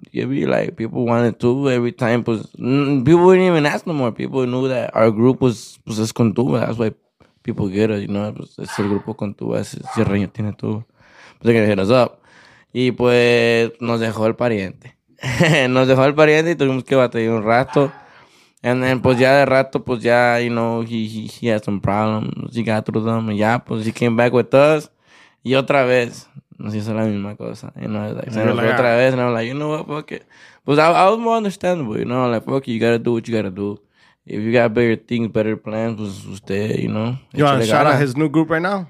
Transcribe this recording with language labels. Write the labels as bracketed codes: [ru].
[en] You'd be like, people wanted tuba every time, pues, people wouldn't even ask no more. People knew that our group was, pues, [es] es con tuba. [en] That's why people get it, you know. [es] Pues, es el grupo con tuba, es el cierreño tiene tuba. Pues, [en] they're gonna hit us up. [es] Y pues nos dejó el pariente. Nos dejó el pariente y tuvimos que batallar un rato. [en] And then, [es] pues ya de rato, pues ya, [en] you know, he had some problems. He got through them. And ya, pues he came back with us. [es] Y otra vez nos hizo la misma cosa. You know, like, se nos fue otra vez. [en] And I was like, you know what, fuck it. Pues I was more understandable, you know, like, fuck it, you gotta do what you gotta do. If you got bigger things, better plans, [es] pues usted, [en] you know. You want to shout out his new group right now?